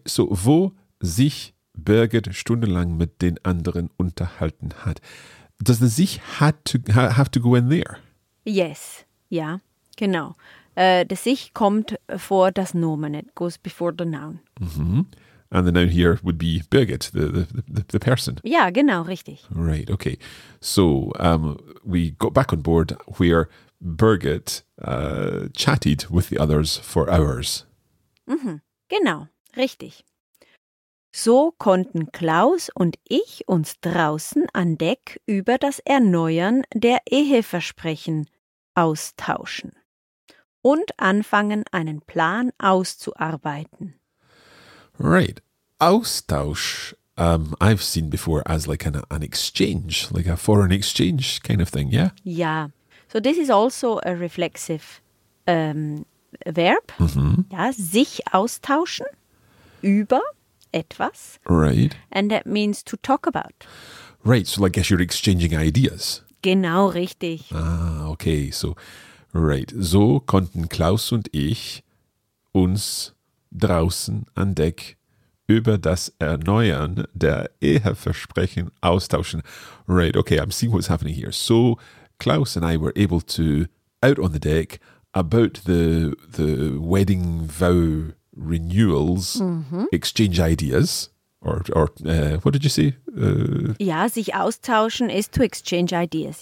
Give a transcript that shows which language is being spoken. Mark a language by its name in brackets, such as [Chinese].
[German] So wo sich Birgit stundenlang mit den anderen unterhalten hat. [English] Does the sich have to go in there? [German] Yes. Ja, genau. The sich kommt vor das Nomen. [English] It goes before the noun. Mm-hmm. And the noun here would be Birgit, the person. [German] Ja, genau, richtig. [English] Right, okay. So we got back on board where Birgit chatted with the others for hours. [German] Mm-hmm. Genau, Richtig. So konnten Klaus und ich uns draußen an Deck über das Erneuern der Eheversprechen austauschen und anfangen, einen Plan auszuarbeiten. [English] Right. Austausch, I've seen before as like an exchange, like a foreign exchange kind of thing, yeah? Yeah. So this is also a reflexive verb. Mm-hmm. [German] Ja, sich austauschen über etwas. [English] Right. And that means to talk about. Right, so I guess you're exchanging ideas. [German] Genau, richtig. [English] Ah, okay, so, right. [German] So konnten Klaus und ich uns draußen an Deck über das Erneuern der Eheversprechen austauschen. [English] Right, okay, I'm seeing what's happening here. So Klaus and I were able to, out on the deck, about the wedding vow renewals, mm-hmm. exchange ideas, or what did you say? [German] Ja, sich austauschen ist [English] to exchange ideas.